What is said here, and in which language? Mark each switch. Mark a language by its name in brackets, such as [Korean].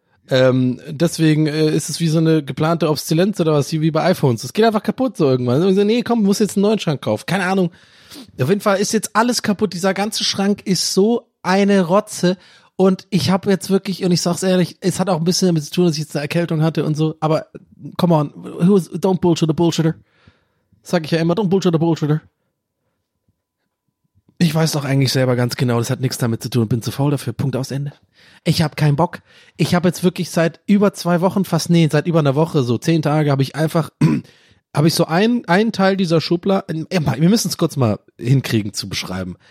[German] Deswegen ist es wie so eine geplante Obsoleszenz oder was, wie bei iPhones. Es geht einfach kaputt so irgendwann. Und so, nee, komm, muss jetzt einen neuen Schrank kaufen. Keine Ahnung. Auf jeden Fall ist jetzt alles kaputt. Dieser ganze Schrank ist so eine Rotze. Und ich habe jetzt wirklich, und ich sag's ehrlich, es hat auch ein bisschen damit zu tun, dass ich jetzt eine Erkältung hatte und so. Aber [English] come on, don't bullshit the bullshitter. [German] Sag ich ja immer, [English] don't bullshit the bullshitter. [German] Ich weiß doch eigentlich selber ganz genau, das hat nichts damit zu tun, bin zu faul dafür, Punkt, aus, Ende. Ich habe keinen Bock. Ich habe jetzt wirklich seit über 2 Wochen, seit über einer Woche, so 10 Tage, habe ich so einen Teil dieser Schubladen, wir müssen es kurz mal hinkriegen zu beschreiben.